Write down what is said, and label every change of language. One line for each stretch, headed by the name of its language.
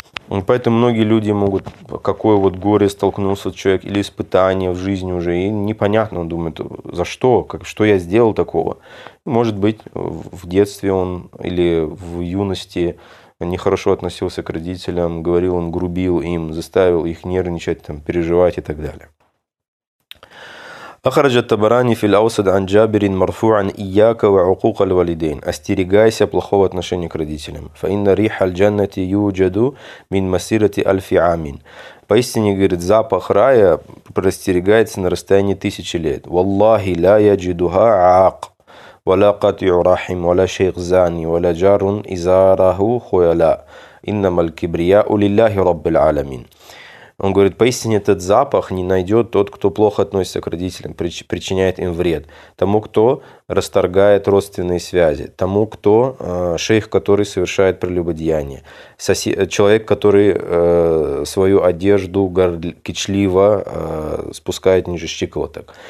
Russian: И поэтому многие люди могут, какое вот горе столкнулся человек, или испытание в жизни уже, и непонятно, он думает, за что, как, что я сделал такого. Может быть, в детстве он или в юности нехорошо относился к родителям, говорил им, грубил им, заставил их нервничать, там, переживать и так далее.
Arabic: أخرج الطبراني في الأوسط عن جابر مرفوعا إياك وعقوق الوالدين أستيرغايسيا
Russian: плохого отношения к родителям
Arabic: فإن ريح الجنة يوجد من مسيرة ألف عام.
Russian: Поистине, говорит, запах рая простерегается на расстоянии тысячи лет.
Arabic: والله لا يجدها عاق ولا قطع رحم ولا شيخ زاني ولا جار إزاره خيلاء إنما الكبرياء لله رب العالمين.
Russian: Он говорит, поистине этот запах не найдет тот, кто плохо относится к родителям, причиняет им вред. Тому, кто расторгает родственные связи. Тому, кто шейх, который совершает прелюбодеяние. Человек, который свою одежду кичливо спускает ниже щиколоток.